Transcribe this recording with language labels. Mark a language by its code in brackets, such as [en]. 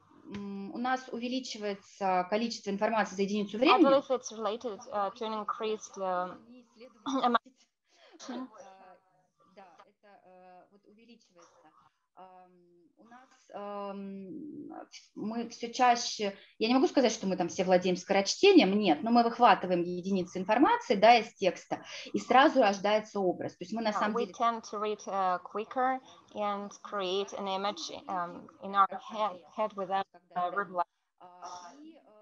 [ru] У нас увеличивается количество информации за единицу времени. [en] I believe it's related to an increased amount. [ru] Да, это вот увеличивается. У нас мы все чаще, я не могу сказать, что мы там все владеем скорочтением, нет, но мы выхватываем единицы информации, да, из текста, и сразу рождается образ. То есть мы на самом деле... [en] We tend to read quicker and create an image in our head without replying.